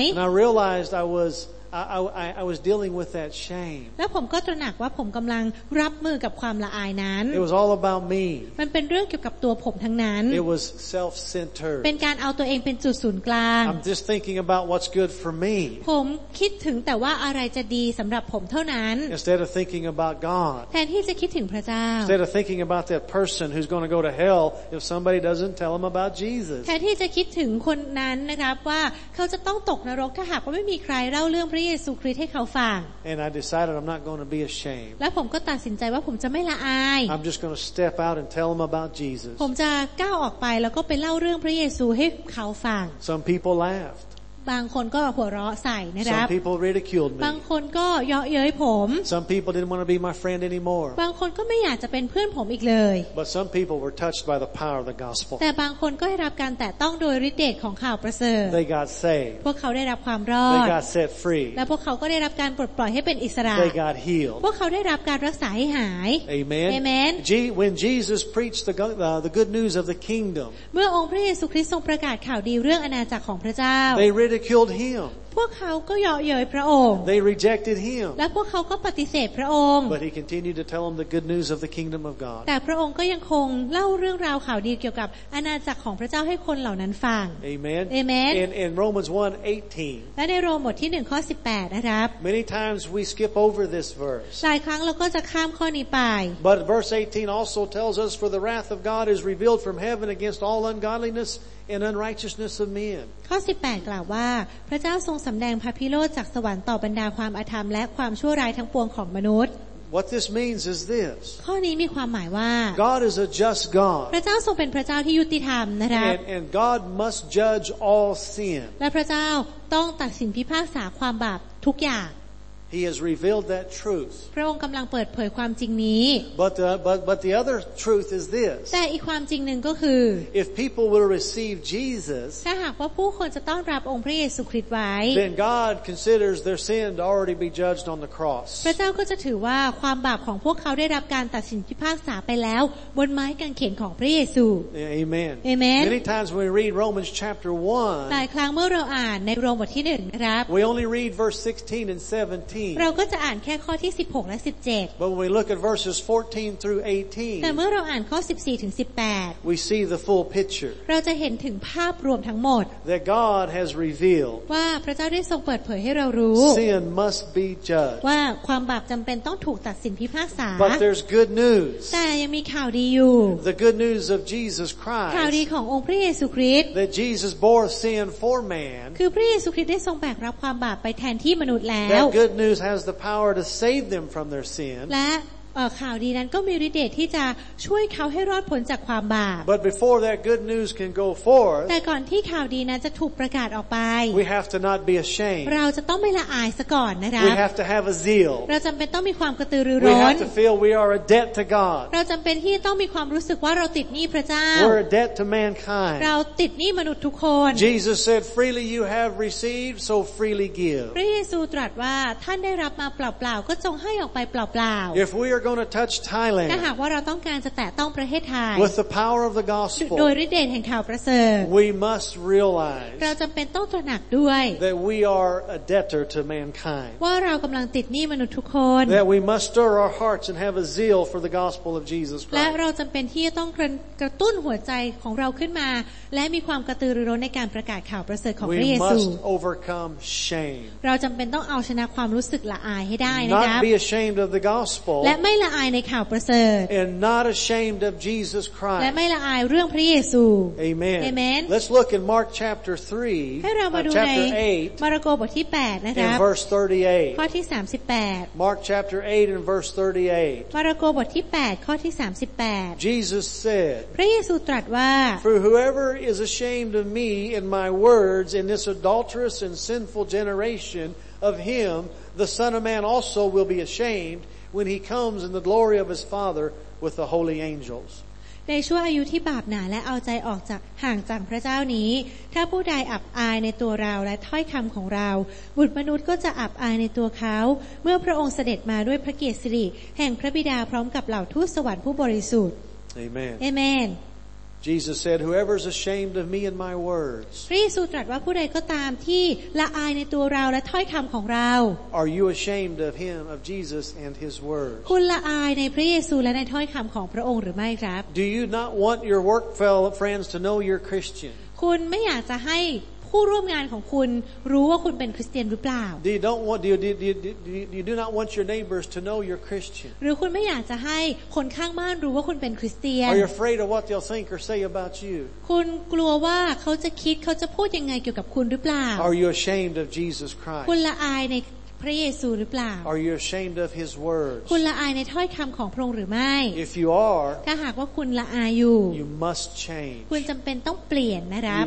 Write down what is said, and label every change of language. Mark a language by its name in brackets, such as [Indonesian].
[English] And I realized I was dealing with that shame. [Thai] แล้วผมก็ตระหนักว่าผมกำลังรับมือกับความละอายนั้น [English] It was all about me. [Thai] มันเป็นเรื่องเกี่ยวกับตัวผมทั้งนั้น [English] It was self-centered. [Thai] เป็นการเอาตัวเองเป็นจุดศูนย์กลาง [English] I'm just thinking about what's good for me. [Thai] ผมคิดถึงแต่ว่าอะไรจะดีสำหรับผมเท่านั้น [English] Instead of thinking about God. [Thai] แทนที่จะคิดถึงพระเจ้า [English] Instead of thinking about that person who's going to go to hell if somebody doesn't tell them about Jesus. [Thai] แทนที่จะคิดถึงคนนั้นนะครับว่าเขาจะต้องตกนรกถ้าหากว่าไม่มีใครเล่าเรื่องพระเยซูคริสต์ให้เขาฟัง [English] And I decided I'm not going to be ashamed [Thai] และผมก็ตัดสินใจว่าผมจะไม่ละอาย [English] I'm just going to step out and tell them about Jesus [Thai] ผมจะก้าวออกไปแล้วก็ไปเล่าเรื่องพระเยซูให้เขาฟัง [English] Some people laughed [Thai] บางคนก็หัวเราะใส่นะครับ [English] Some people ridiculed me [Thai] บางคนก็เยาะเย้ยผม [English] Some people didn't want to be my friend anymore [Thai] บางคนก็ไม่อยากจะเป็นเพื่อนผมอีกเลย [English] But some people were touched by the power of the gospel [Thai] แต่บางคนก็ได้รับการแตะต้องโดยฤทธิ์เดชของข่าวประเสริฐ [English] They got saved [Thai] พวกเขาได้รับความรอด [English] They got set free [Thai] และพวกเขาก็ได้รับการปลดปล่อยให้เป็นอิสระ [English] They got healed [Thai] พวกเขาได้รับการรักษาให้หาย [English] Amen [Thai] Amen [English] When Jesus preached the good news of the kingdom [Thai] เมื่อองค์พระเยซูคริสต์ทรงประกาศข่าวดีเรื่องอาณาจักรของพระเจ้า [English] They ridiculed him. [Thai] พวกเขาก็เยาะเย้ยพระองค์ [English] They rejected him. [Thai] และพวกเขาก็ปฏิเสธพระองค์ [English] But he continued to tell them the good news of the kingdom of God. [Thai] แต่พระองค์ก็ยังคงเล่าเรื่องราวข่าวดีเกี่ยวกับอาณาจักรของพระเจ้าให้คนเหล่านั้นฟัง [English] Amen. [Thai] Amen. [English] In Romans 1:18. [Thai] และในโรมบทที่1ข้อ18นะครับ [English] Many times we skip over this verse. [Thai] หลายครั้งเราก็จะข้ามข้อนี้ไป [English] But verse 18 also tells us for the wrath of God is revealed from heaven against all ungodlinessAnd unrighteousness of men. [Thai] ข้อ 18 กล่าวว่าพระเจ้าทรงสำแดงพระพิโรธจากสวรรค์ต่อบรรดาความอธรรมและความชั่วร้ายทั้งปวงของมนุษย์ [English] What this means is this. [Thai] ข้อนี้มีความหมายว่า [English] God is a just God. [Thai] พระเจ้าทรงเป็นพระเจ้าที่ยุติธรรมนะครับ [English] And God must judge all sin. [Thai] และพระเจ้าต้องตัดสินพิพากษาความบาปทุกอย่าง [English] He has revealed that truth. [Thai] พระองค์กำลังเปิดเผยความจริงนี้ [English] But the other truth is this. [Thai] แต่อีกความจริงหนึ่งก็คือ [English] If people will receive Jesus. [Thai] ถ้าหากว่าผู้คนจะต้อนรับองค์พระเยซูคริสต์ไว้ [English] Then God considers their sin to already be judged on the cross. [Thai] พระเจ้าก็จะถือว่าความบาปของพวกเขาได้รับการตัดสินพิพากษาไปแล้วบนไม้กางเขนของพระเยซู [English] Amen. [Thai] Amen. [English] Many times when we read Romans chapter 1. [Thai] หลายครั้งเมื่อเราอ่านในโรมบทที่1นะครับ [English] We only read verse 16 and 17. [Thai] เราก็จะอ่านแค่ข้อที่16และ17 [English] But when we look at verses 14 through 18 [Thai] แต่เมื่อเราอ่านข้อ14ถึง18 [English] We see the full picture [Thai] เราจะเห็นถึงภาพรวมทั้งหมด [English] That God has revealed [Thai] ว่าพระเจ้าได้ทรงเปิดเผยให้เรารู้ [English] Sin must be judged [Thai] ว่าความบาปจำเป็นต้องถูกตัดสินพิพากษา [English] But there's good news [Thai] แต่ยังมีข่าวดีอยู่ [English] The good news of Jesus Christ [Thai] ข่าวดีขององค์พระเยซูคริสต์ [English] That Jesus bore sin for man [Thai] คือพระเยซูคริสต์ได้ทรงแบกรับความบาปไปแทนที่มนุษย์แล้ว [English] News has the power to save them from their sin. [Thai] และข่าวดีนั้นก็มีฤทธิ์เดชที่จะช่วยเขาให้รอดพ้นจากความบาป [English] But before that good news can go forth, [Thai] แต่ก่อนที่ข่าวดีนั้นจะถูกประกาศออกไป [English] we have to not be ashamed. [Thai] เราจะต้องไม่ละอายซะก่อนนะครับ [English] We have to have a zeal. [Thai] เราจำเป็นต้องมีความกระตือรือร้น [English] We have to feel we are a debt to God. [Thai] เราจำเป็นที่ต้องมีความรู้สึกว่าเราติดหนี้พระเจ้า [English] We're a debt to mankind. [Thai] เราติดหนี้มนุษย์ทุกคน [English] Jesus said, "Freely you have received, so freely give." [Thai] พระเยซูตรัสว่าท่านได้รับมาเปล่าๆก็จงให้ออกไปเปล่า [English] ๆ If we're going to touch Thailand. [Thai] ถ้าหากว่าเราต้องการจะแตะต้องประเทศไทย [English] With the power of the gospel. [Thai] โดยฤทธิ์เดชแห่งข่าวประเสริฐ [English] We must realize. [Thai] เราจําเป็นต้องตระหนักด้วย [English] That we are a debtor to mankind. [Thai] ว่าเรากําลังติดหนี้มนุษย์ทุกคน [English] That we must stir our hearts and have a zeal for the gospel of Jesus Christ. [Thai] และเราจําเป็นที่จะต้องกระตุ้นหัวใจของเราขึ้นมาและมีความกระตือรือร้นในการประกาศข่าวประเสริฐของพระเยซู [English] We must overcome shame. [Thai] เราจําเป็นต้องเอาชนะความรู้สึกละอายให้ได้นะครับ [English] Not be ashamed of the gospel. [Thai] และไม่ละอายในข่าวประเสริฐ [English] And not ashamed of Jesus Christ [Thai] และไม่ละอายเรื่องพระเยซู [English] Amen [Thai] Amen [English] Let's look in Mark chapter 3 [Thai] ให้เรามาดูในมาระโกบทที่8นะครับ [English] Verse 38 [Thai] ข้อที่38 [English] Mark chapter 8 and verse 38 [Thai] มาระโกบทที่8ข้อที่38 [English] Jesus said [Thai] พระเยซูตรัสว่า [English] For whoever is ashamed of me and my words in this adulterous and sinful generation of him the son of man also will be ashamedWhen he comes in the glory of his Father with the holy angels. [Thai] ในช่วงอายุที่บาปหนาและเอาใจออกจากห่างจากพระเจ้านี้ถ้าผู้ใดอับอายในตัวเราและถ้อยคำของเราบุตรมนุษย์ก็จะอับอายในตัวเขาเมื่อพระองค์เสด็จมาด้วยพระเกียรติสิริแห่งพระบิดาพร้อมกับเหล่าทูตสวรรค์ผู้บริสุทธิ์ [English] Amen. [Thai] Amen. [English] Jesus said, "Whoever is ashamed of me and my words." [Thai] พระเยซูตรัสว่าผู้ใดก็ตามที่ละอายในตัวเราและถ้อยคำของเรา [English] Are you ashamed of him, of Jesus, and his words? [Thai] คุณละอายในพระเยซูและในถ้อยคำของพระองค์หรือไม่ครับ [English] Do you not want your work fellow friends to know you're Christian? [Thai] คุณไม่อยากจะให้ผู้ร่วมงานของคุณรู้ว่าคุณเป็นคริสเตียนหรือเปล่า [English] Do you don't want you do not want your neighbors to know you're Christian [Thai] หรือคุณไม่อยากจะให้คนข้างบ้านรู้ว่าคุณเป็นคริสเตียน [English] Are you afraid of what they'll think or say about you [Thai] คุณกลัวว่าเขาจะคิดเขาจะพูดยังไงเกี่ยวกับคุณหรือเปล่า [English] Are you ashamed of Jesus Christ [Thai] คุณละอายในพระเยซูหรือเปล่า [English] Are you ashamed of his words [Thai] คุณละอายในถ้อยคำของพระองค์หรือไม่ [English] If you are [Thai] ถ้าหากว่าคุณละอายอยู่ [English] You must change [Thai] คุณจำเป็นต้องเปลี่ยนนะครับ